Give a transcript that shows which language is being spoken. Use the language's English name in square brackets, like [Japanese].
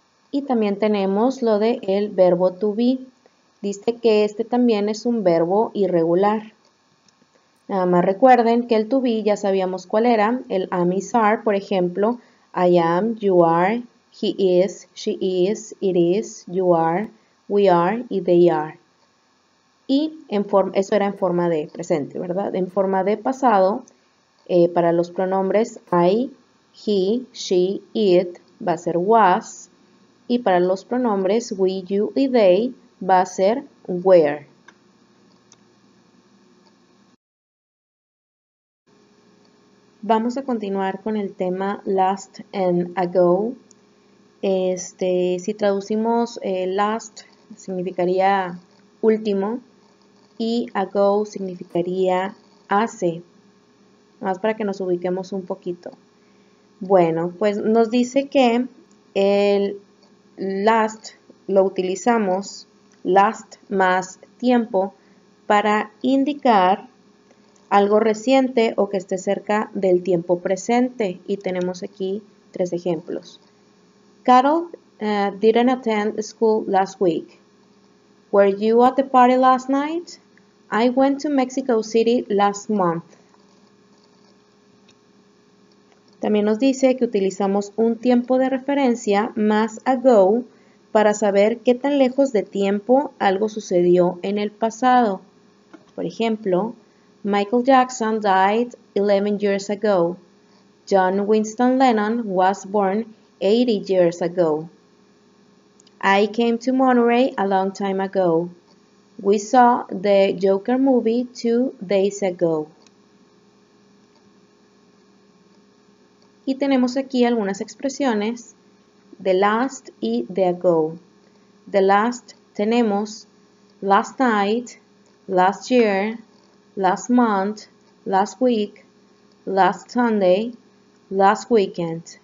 [Spanish] Y también tenemos lo de el verbo to be. Dice que este también es un verbo irregular. Nada más recuerden que el to be ya sabíamos cuál era. El [English] am is are, [Spanish] por ejemplo, [English] I am, you are. He is, she is, it is, you are, we are y they are. [Spanish] Y eso era en forma de presente, ¿verdad? En forma de pasado, para los pronombres I, he, she, it va a ser was. Y para los pronombres we, you y they va a ser were. Vamos a continuar con el tema last and ago. Si traducimos last, significaría último, y ago significaría hace, más para que nos ubiquemos un poquito. Bueno, pues nos dice que el last lo utilizamos, last más tiempo, para indicar algo reciente o que esté cerca del tiempo presente, y tenemos aquí tres ejemplos. [English] Carol didn't attend school last week. Were you at the party last night? I went to Mexico City last month. [Spanish] También nos dice que utilizamos un tiempo de referencia más ago para saber qué tan lejos de tiempo algo sucedió en el pasado. Por ejemplo, [English] Michael Jackson died 11 years ago. John Winston Lennon was born 80 years ago. I came to Monterey a long time ago. We saw the Joker movie 2 days ago. [Spanish] Y tenemos aquí algunas expresiones de last y de ago. [English] The last [Spanish] tenemos [English] last night, last year, last month, last week, last Sunday, last weekend.